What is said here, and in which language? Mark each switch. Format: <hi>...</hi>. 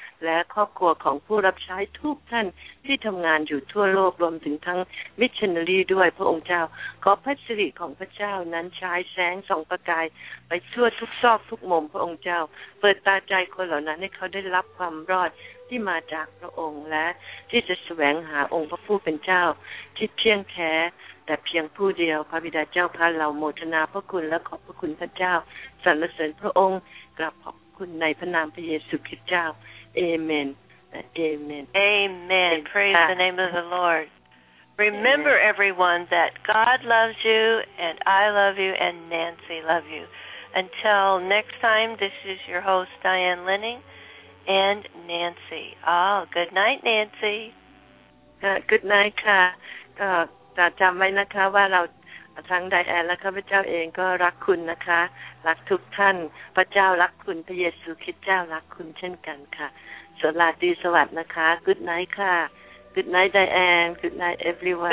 <th>และครอบครัวของผู้รับใช้ทุกท่านที่ทำงานอยู่ทั่วโลกรวมถึงทั้งมิชชันนารีด้วยพระองค์เจ้าขอพระสิริของพระเจ้านั้นฉายแสงส่องประกายไปทั่วทุกซอกทุกมุมพระองค์เจ้าเปิดตาใจคนเหล่านั้นให้เขาได้รับความรอดที่มาจากพระองค์และที่จะแสวงหาองค์พระผู้เป็นเจ้า ที่เที่ยงแท้แต่เพียงผู้เดียวพระบิดาเจ้าพระเราโมทนาพระคุณและขอบพระคุณพระเจ้าสรรเสริญพระองค์กราบขอบคุณในพระนามพระเยซูคริสต์เจ้าเอเมนเอเมน เอเมน</th> <en>Praise the name of the Lord. Remember everyone that God loves you and I love you and Nancy love you. Until next time, this is your host Diane Linning and Nancy. Oh, good night, Nancy. Good night,</en> <th>ค่ะจำไว้นะคะว่าเรา ทั้งไดแอนและข้าพเจ้าเองก็รักคุณนะคะรักทุกท่านพระเจ้ารักคุณพระเยซูคริสต์เจ้ารักคุณเช่นกันค่ะสวัสดีราตรีสวัสดีนะคะ</th> <en>Good night</en> <th>ค่ะ Good night ไดแอน</th> <en>Good night everyone</en>